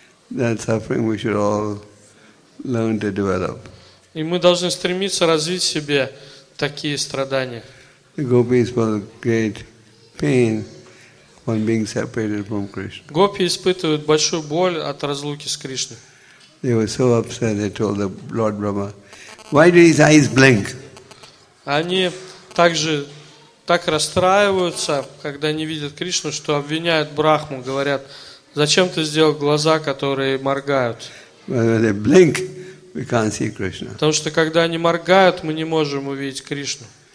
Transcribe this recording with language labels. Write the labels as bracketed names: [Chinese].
[English] That suffering we should all learn to develop. [Russian] И мы должны стремиться развить в себе такие страдания. [English] The gopis will create pain. When being separated from Krishna. [Russian] Гопи испытывают большую боль от разлуки с Кришной. [English] They were so upset, they told the Lord Brahma, why do his eyes blink? [Russian] Они также так расстраиваются, когда не видят Кришну, что обвиняют Брахму, говорят, зачем ты сделал глаза, которые моргают? [English] When they blink, we can't see Krishna. [Russian] Потому что когда они моргают, мы не можем увидеть Кришну.